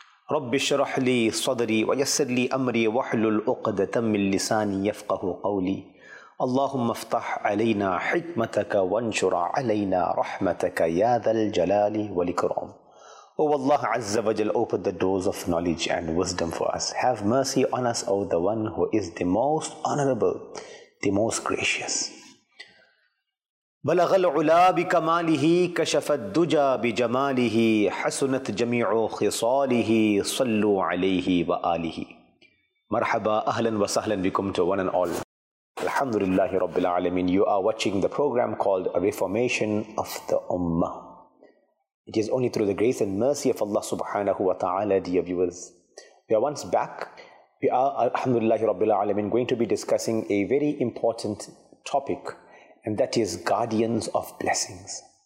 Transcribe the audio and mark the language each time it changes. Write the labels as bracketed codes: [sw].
[ar] رب اشرح لي صدري ويسر لي امري واحلل عقدة من لساني يفقهوا قولي اللهم افتح علينا حكمتك وانشر علينا رحمتك يا ذا الجلال والاكرام O Allah Azza wa Jal, open the doors of knowledge and wisdom for us. [en] Have mercy on us, O the one who is the most honorable, the most gracious. [ar] بلغ العلا بكماله كشف الدجا بجماله حسنت جميع خصاله صلوا عليه وآله مرحبا اهلا وسهلا بكم to one and all. [en] Alhamdulillah Rabbil Alameen, you are watching the program called A Reformation of the Ummah. It is only through the grace and mercy of Allah subhanahu wa ta'ala, dear viewers. We are once back. We are, alhamdulillah, rabbil alameen, going to be discussing a very important topic, and that is guardians of blessings.